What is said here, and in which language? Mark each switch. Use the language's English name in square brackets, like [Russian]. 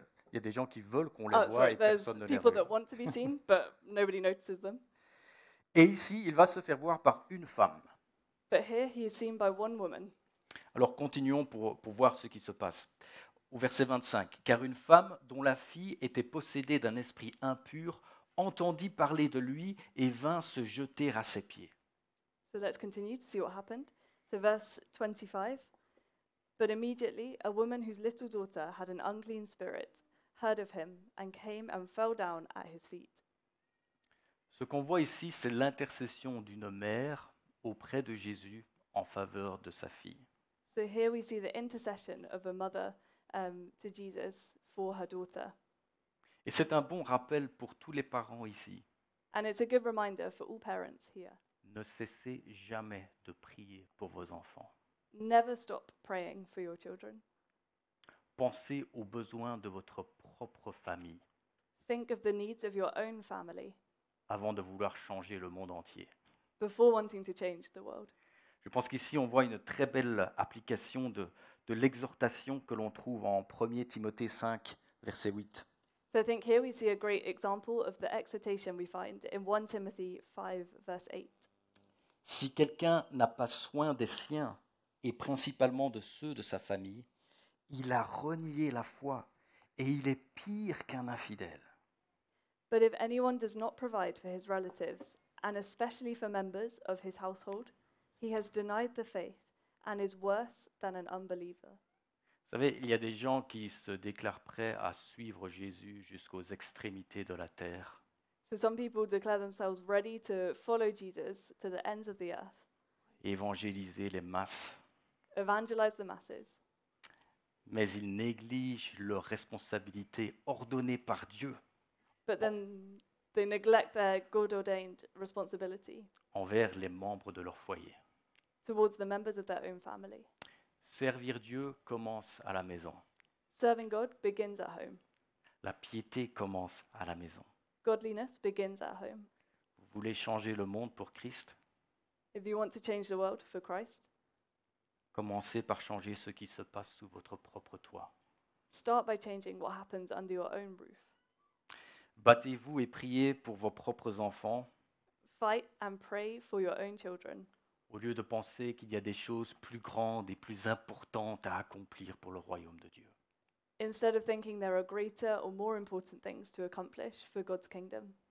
[French] Il y a des gens qui veulent qu'on les voit et personne ne les remarque. [English] That want to be seen, but nobody notices them. [French] Et ici, il va se faire voir par une femme. [English] But here he is seen by one woman. [French] Alors continuons pour voir ce qui se passe. Au verset 25. Car une femme dont la fille était possédée d'un esprit impur entendit parler de lui et vint se jeter à ses pieds. [English] So let's continue to see what happened. So verse 25. But immediately a woman whose little daughter had an unclean spirit heard of him and came and fell down at his feet. [French] Ce qu'on voit ici, c'est l'intercession d'une mère auprès de Jésus en faveur de sa fille. [English] So here we see the intercession of a mother to Jesus for her daughter. [French] Et c'est un bon rappel pour tous les parents ici. [English] And it's a good reminder for all parents here. [French] Ne cessez jamais de prier pour vos enfants. [English] Never stop praying for your children. [French] Pensez aux besoins de votre propre famille. [English] Think of the needs of your own family. [French] Avant de vouloir changer le monde entier. [English] Before wanting to change the world. [French] Je pense qu'ici on voit une très belle application de l'exhortation que l'on trouve en 1 Timothée 5, verset 8. [English] So I think here we see a great example of the exhortation we find in 1 Timothy 5, verse 8. [French] Si quelqu'un n'a pas soin des siens et principalement de ceux de sa famille, il a renié la foi et il est pire qu'un infidèle. [English] But if anyone does not provide for his relatives and especially for members of his household, he has denied the faith and is worse than an unbeliever. [French] Vous savez, il y a des gens qui se déclarent prêts à suivre Jésus jusqu'aux extrémités de la terre. [English] So some people declare themselves ready to follow Jesus to the ends of the earth. [French] Évangéliser les masses. [English] Evangelize the masses. [French] Mais ils négligent leur responsabilité ordonnée par Dieu. [English] But then they neglect their God-ordained responsibility. [French] Envers les membres de leur foyer. [English] Towards the members of their own family. [French] Servir Dieu commence à la maison. [English] Serving God begins at home. [French] La piété commence à la maison. [English] Godliness begins at home. [French] Vous voulez changer le monde pour Christ? [English] If you want to change the world for Christ, [French] Commencez par changer ce qui se passe sous votre propre toit. [English] Start by changing what happens under your own roof. [French] Battez-vous et priez pour vos propres enfants. [English] Fight and pray for your own children. [French] Au lieu de penser qu'il y a des choses plus grandes et plus importantes à accomplir pour le royaume de Dieu. [English] Instead of thinking there are greater or more important things to accomplish for God's kingdom.